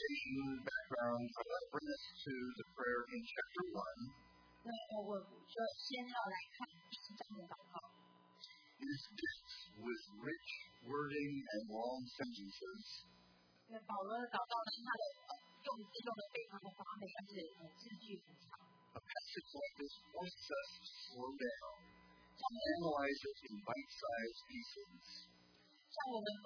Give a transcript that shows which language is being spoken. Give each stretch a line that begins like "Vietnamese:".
English: so that brings us to the prayer in chapter 1.
Chinese: 那我就先要来看第一章的祷告。
English: It is dense with rich wording and long sentences.
Chinese: 那保罗的祷告呢，他的用字用的非常的华美，而且字句很长。
English: A passage like this forces us to slow down and analyze it in bite-sized pieces.